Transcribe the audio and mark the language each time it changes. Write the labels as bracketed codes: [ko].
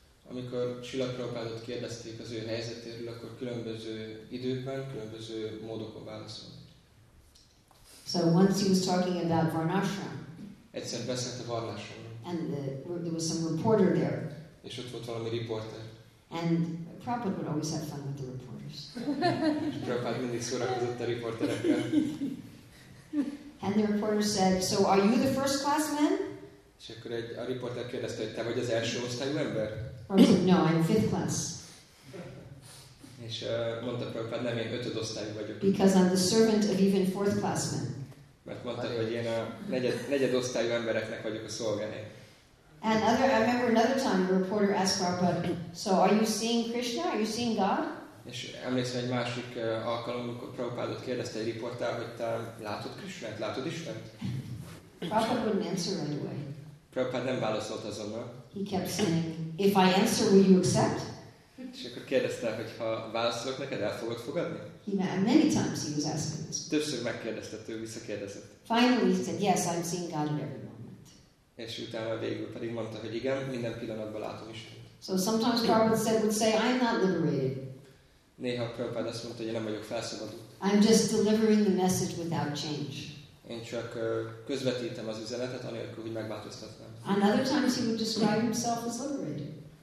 [hu] Amikor Srila Prabhupádot kérdezték az ő helyzetéről, akkor különböző időkben, különböző módokon válaszolt. [en] So once he was talking about Varnashram, [hu] egyszer beszélt a varnásról. [en] And there was some reporter there. [hu] És ott volt valami riporter. [en] And Prabhupada would always have fun with the reporters. [hu] Prabhupada mindig szórakozott a riporterekkel. [en] And the reporter said, so are you the first class man? [hu] És akkor a riporter kérdezte, hogy te vagy az első osztályú ember? [en] No, I'm fifth class. [hu] És mondta Prabhupada, nem, én ötöd osztályú vagyok. [en] Because I'm the servant of even fourth class men. [hu] Mert mondta, hogy én a negyed osztályú embereknek vagyok a szolgálat. [en] And other, I remember another time a reporter asked Prabhupada, so are you seeing Krishna? Are you seeing God? [hu] És emlékszem egy másik alkalommal, amikor Prabhupádot kérdezte egy riportál, hogy te látod Krishnát, látod Istent? [en] Prabhupada wouldn't answer right away. [hu] Prabhupada nem válaszolt azonnal. [en] He kept saying, if I answer, will you accept? [hu] És akkor kérdezte, hogy ha válaszolok neked, el fogod fogadni? [en] Many times he was asking this. [hu] Többször megkérdezte, ő visszakérdezett. [en] Finally he said, yes, I'm seeing God in every moment. [hu] És utána végül pedig mondta, hogy igen, minden pillanatban látom Istent. [en] So sometimes Prabhupada would say, I'm not liberated. [hu] Néha Prabhupada azt mondta, hogy én nem vagyok felszabadult. [en] I'm just delivering the message without change. [hu] Én csak közvetítem az üzenetet, anélkül, hogy megváltoztatnám. [en] And other times he would describe himself as liberated.